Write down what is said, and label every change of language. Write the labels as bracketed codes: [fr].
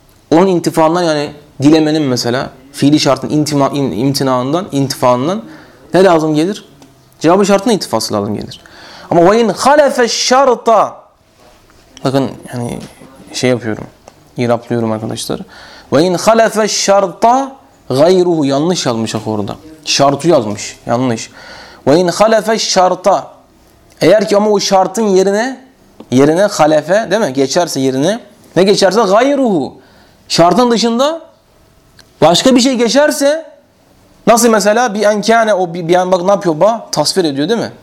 [tr] Onun intifaından yani dilemenin mesela fiili şartın imtinaından, intifaından ne lazım gelir? Cevabı şartına ittifası lazım gelir. Ama [ar] وَاِنْ خَلَفَ الشَّرْطَ [tr] Bakın yani şey yapıyorum, iraplıyorum arkadaşlar. [ar] وَاِنْ خَلَفَ الشَّرْطَ غَيْرُهُ [tr] Yanlış yazmış orada. Şartı yazmış, yanlış. [ar] وَاِنْ خَلَفَ الشَّرْطَ [tr] Eğer ki ama o şartın yerine halefe değil mi? Geçerse yerine. Ne geçerse? غَيْرُهُ Şartın dışında başka bir şey geçerse nasıl mesela bir enkâne o bir an bak ne yapıyor ba tasvir ediyor değil mi?